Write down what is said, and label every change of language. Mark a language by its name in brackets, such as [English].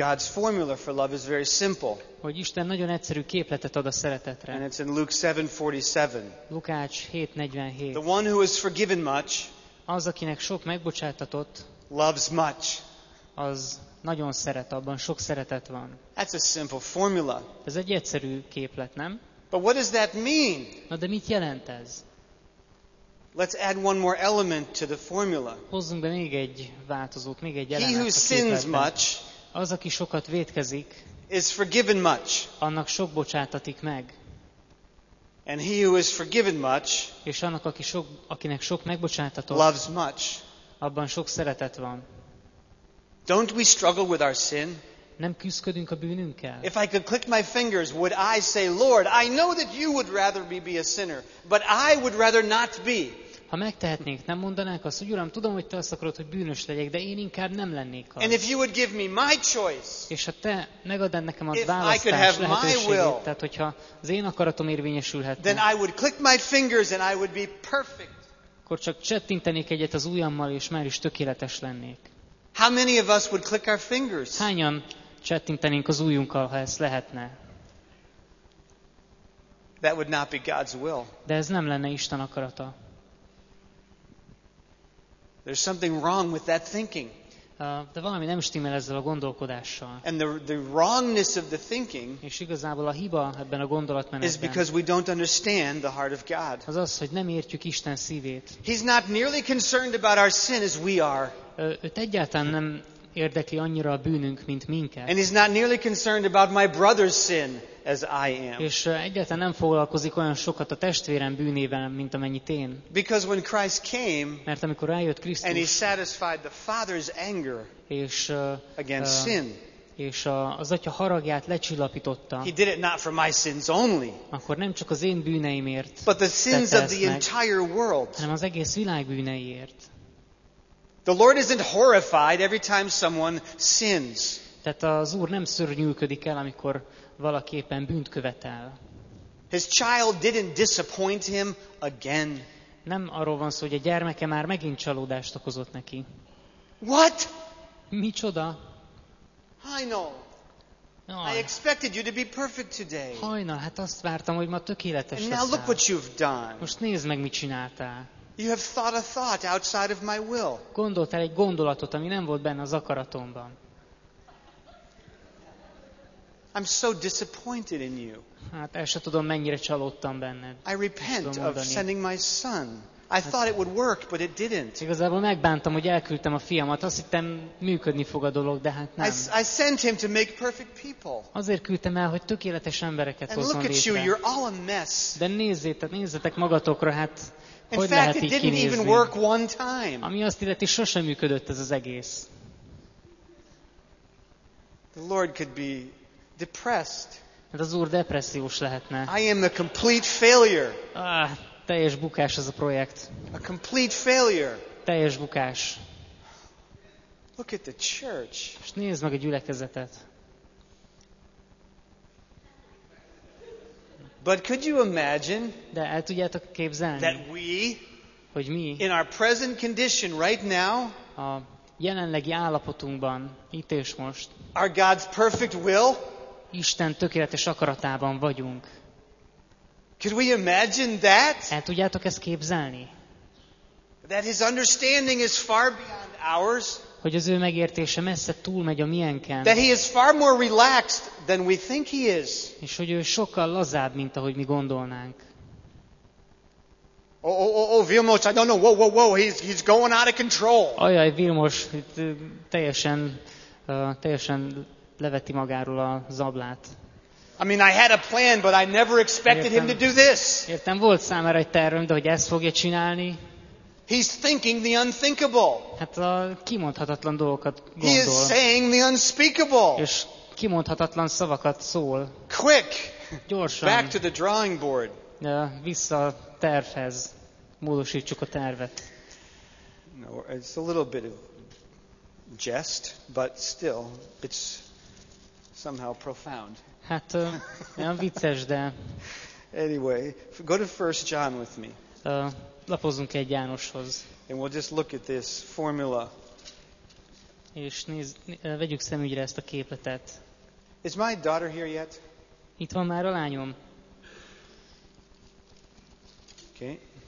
[English] God's formula for love is very simple. [Hungarian] Hogy Isten nagyon egyszerű képletet ad a szeretetre. [English] And it's in Luke 7:47. [Hungarian] Lukács 7:47. [English] The one who is forgiven much, [Hungarian] az akinek sok megbocsátatott, [English] loves much. [Hungarian] Az nagyon szeret, abban sok szeretet van. [English] That's a simple formula. [Hungarian] Ez egy egyszerű képlet, nem? [English] But what does that mean? [Hungarian] Na de mit jelent ez? [English] Let's add one more element to the formula. [Hungarian] Hozzunk be még egy változót, még egy elemet. [English] He who sins much, [Hungarian] az aki sokat vétkezik, [English] is forgiven much. [Hungarian] Annak sok bocsátatik meg. [English] And he who is forgiven much, [Hungarian] és annak aki sok, akinek sok megbocsátatott, [English] loves much. [Hungarian] Abban sok szeretet van. [English] Don't we struggle with our sin? [Hungarian] Nem küzdködünk a bűnünkkel? [English] If I could click my fingers, would I say, Lord, I know that you would rather me be a sinner, but I would rather not be. [Hungarian] Ha megtehetnénk, nem mondanánk azt, hogy Uram, tudom, hogy te azt akarod, hogy bűnös legyek, de én inkább nem lennék az. [English] And if you would give me my choice, [Hungarian] és ha te megadnád nekem a választás lehetőségét, tehát hogyha az én akaratom érvényesülhetne, [English] then I would click my fingers and I would be perfect. [Hungarian] Akkor csak csettintenék egyet az ujjammal, és már is tökéletes lennék. [English] How many of us would click our fingers? [Hungarian] Hányan csettintenénk az ujjunkkal, ha ez lehetne? [English] That would not be God's will. [Hungarian] De ez nem lenne Isten akarata. [English] There's something wrong with that thinking. [Hungarian] De valami nem stimmel ezzel a gondolkodással. [English] And the wrongness of the thinking, [Hungarian] és igazából a hiba ebben a gondolatmenetben, [English] is because we don't understand the heart of God. [Hungarian] Az az, hogy nem értjük Isten szívét. [English] He's not nearly concerned about our sin as we are. [Hungarian] Őt egyáltalán nem érdekli annyira a bűnünk, mint minket. [English] And he's not nearly concerned about my brother's sin as I am. [Hungarian] És egyáltalán nem foglalkozik olyan sokat a testvérem bűnével, mint amennyit én. [English] Because when Christ came, [Hungarian] mert amikor rájött Krisztus, [English] and he satisfied the father's anger against sin, [Hungarian] és az atya haragját lecsillapította, [English] he did it not for my sins only, [Hungarian] akkor nem csak az én bűneimért, [English] but the sins of the entire world, [Hungarian] hanem az egész világ bűneiért. [English] The Lord isn't horrified every time someone sins. [Hungarian] Tehát az Úr nem szörnyűködik el, amikor valaki éppen bűnt követel. [English] His child didn't disappoint him again. [Hungarian] Nem arról van szó, hogy a gyermeke már megint csalódást okozott neki. [English] What? [Hungarian] Micsoda? Hajnal. [English] I expected you to be perfect today. [Hungarian] Hajnal, hát azt vártam, hogy ma tökéletes leszel. [English] And now look what you've done. [Hungarian] Most nézd meg, mit csináltál. [English] You have thought a thought outside of my will. [Hungarian] Gondoltál egy gondolatot, ami nem volt benne az akaratomban. [English] I'm so disappointed in you. [Hungarian] Hát el sem tudom, mennyire csalódtam benned. [English] I repent of sending my son. I thought it would work, but it didn't. [Hungarian] Igazából megbántam, hogy elküldtem a fiamat. Azt hittem, működni fog a dolog, de hát nem. [English] I sent him to make perfect people. [Hungarian] Azért küldtem el, hogy tökéletes embereket [English] and [Hungarian] hozzon [English] look at [Hungarian] létre. [English] You, you're all a mess. [Hungarian] De nézzétek magatokra, hát hogy [English] in fact, [Hungarian] lehet [English] it didn't [Hungarian] kinézni? [English] Even work one time. [Hungarian] Ami azt illeti, sosem működött ez az egész. [English] The Lord could be depressed. [Hungarian] Hát az Úr depressziós lehetne. [English] I am a complete failure. [Hungarian] Teljes bukás ez a projekt. [English] A complete failure. [Hungarian] Teljes bukás. [English] Look at the church. [Hungarian] És nézd meg a gyülekezetet. [English] But could you imagine? [Hungarian] De el tudjátok képzelni? [English] That we, [Hungarian] hogy mi, [English] in our present condition right now, [Hungarian] a jelenlegi állapotunkban, itt és most, [English] our God's perfect will, [Hungarian] Isten tökéletes akaratában vagyunk. [English] Could we imagine that? [Hungarian] El tudjátok ezt képzelni? [English] That his understanding is far beyond ours. [Hungarian] Hogy az ő megértése messze túlmegy a miénken. [English] That he is far more relaxed than we think he is. [Hungarian] És hogy ő sokkal lazább, mint ahogy mi gondolnánk. [English] Oh, Vilmos, I don't know. Whoa, he's going out of control. [Hungarian] Ajaj, Vilmos, teljesen leveti magáról a zablát. [English] I mean, I had a plan, but I never expected him to do this. [Hungarian] Értem, volt számára egy tervem, de hogy ezt fogja csinálni. [English] He's thinking the unthinkable. [Hungarian] Hát a kimondhatatlan dolgokat gondol. [English] He is saying the unspeakable. [Hungarian] És kimondhatatlan szavakat szól. [English] Quick. [Hungarian] Gyorsan. [English] Back to the drawing board. [Hungarian] Ja, vissza a tervhez. Módosítsuk a tervet. [English] No, it's a little bit of jest, but still, it's somehow profound. [Hungarian] Hát, nem vicces, de... [English] Anyway, go to 1 John with me. [Hungarian] Lapozzunk egy Jánoshoz. [English] And we'll just look at this formula. [Hungarian] És vegyük szemügyre ezt a képletet. [English] Is my daughter here yet? [Hungarian] Itt van már a lányom. [English] Okay.